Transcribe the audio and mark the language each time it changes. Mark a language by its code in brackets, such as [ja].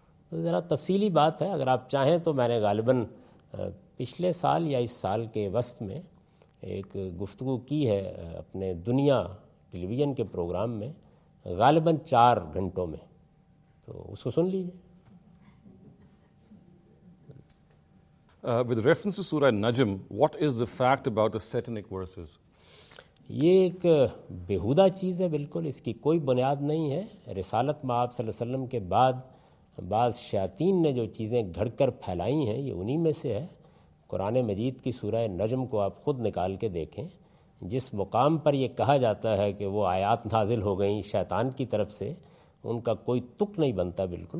[ur] تو ذرا تفصیلی بات ہے، اگر آپ چاہیں تو میں نے غالباً پچھلے سال یا اس سال کے وسط میں ایک گفتگو کی ہے اپنے دنیا ٹیلی ویژن کے پروگرام میں، غالباً 4 گھنٹوں میں، تو اس کو سن لیجیے. [en] With reference to Surah Najm, what is the fact about the satanic verses? [ur] یہ ایک بیہودہ چیز ہے بالکل، اس کی کوئی بنیاد نہیں ہے. رسالت میں آپ صلی اللہ علیہ وسلم کے بعد بعض شیاطین نے جو چیزیں گھڑ کر پھیلائی ہیں یہ انہی میں سے ہے. قرآن مجید کی سورہ نجم کو آپ خود نکال کے دیکھیں، جس مقام پر یہ کہا جاتا ہے کہ وہ آیات نازل ہو گئیں شیطان کی طرف سے، ان کا کوئی تک نہیں بنتا بالکل.